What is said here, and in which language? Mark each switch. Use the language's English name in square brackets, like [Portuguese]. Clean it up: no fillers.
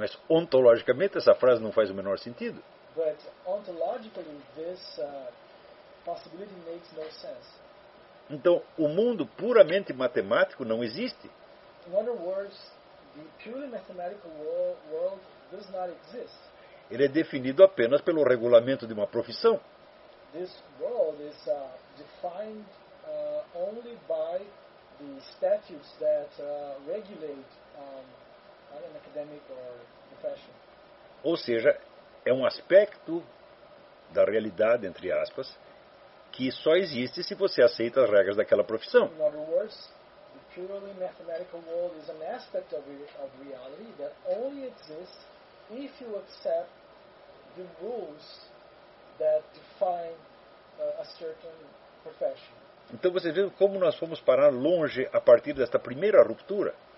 [Portuguese] Mas ontologicamente essa frase não faz o menor sentido. [English] But ontologically this possibility makes no sense. [Portuguese] Então, o mundo puramente matemático não existe. [English] In other words, the purely mathematical world does not exist. [Portuguese] Ele é definido apenas pelo regulamento de uma profissão. [English] This world is defined only by the statutes that regulate an academic or profession. [Portuguese] Ou seja, é um aspecto da realidade, entre aspas, que só existe se você aceita as regras daquela profissão. [English] In other words, the purely mathematical world is an aspect of reality that only exists if you accept the rules that define a certain profession. [Portuguese] Então você vê como nós fomos parar longe a partir desta primeira ruptura.